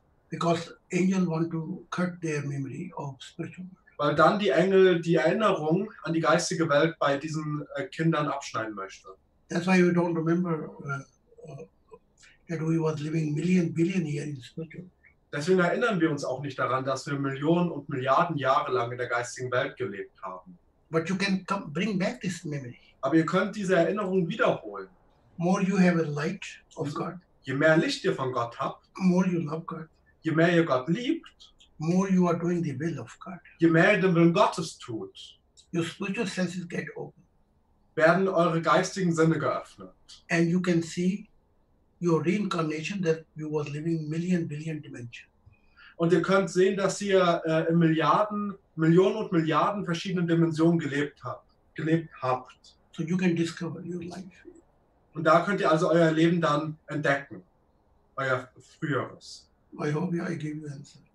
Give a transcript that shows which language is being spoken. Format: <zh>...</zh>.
<en>Because angels want to cut their memory of spiritual world.</en> <de>Weil dann die Engel die Erinnerung an die geistige Welt bei diesen Kindern abschneiden möchte.</de> <en>That's why you don't remember that we were living million, billion years in spiritual world.</en> <de>Deswegen erinnern wir uns auch nicht daran, dass wir Millionen und Milliarden Jahre lang in der geistigen Welt gelebt haben.</de> <en>But you can come, bring back this memory.</en> <de>Aber ihr könnt diese Erinnerung wiederholen.</de> <en>More you have a light of God.</en> <de>Je mehr Licht ihr von Gott habt,</de> <en>more you love God.</en> <de>Je mehr ihr Gott liebt,</de> <en>more you are doing the will of God.</en> <de>Je mehr ihr den Willen Gottes tut,</de> <en>your spiritual senses get open.</en> <de>Werden eure geistigen Sinne geöffnet.</de> <en>And you can see your reincarnation that you were living million billion dimensions.</en> <de>Und ihr könnt sehen, dass ihr in Milliarden, Millionen und Milliarden verschiedenen Dimensionen gelebt habt.</de> <en>So you can discover your life.</en> <de>Und da könnt ihr also euer Leben dann entdecken, euer früheres.</de> <en>I hope I gave you an answer.</en>